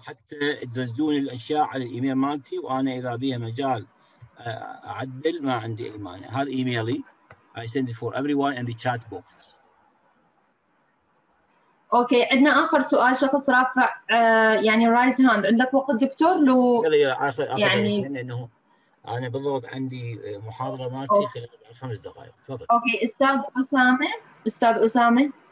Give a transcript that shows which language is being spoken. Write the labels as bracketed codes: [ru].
[ar] حتى تنزلون الاشياء على الايميل مالتي، وانا اذا بيها مجال اعدل ما عندي اي مانع. هذا ايميلي. [en] I send it for everyone in the chat box. [ar] اوكي عندنا اخر سؤال، شخص رافع يعني رايز هاند، عندك وقت دكتور لو يعني؟ انه انا بالضبط عندي محاضره مالتي خلال 5 دقائق. تفضل. اوكي استاذ اسامه. استاذ اسامه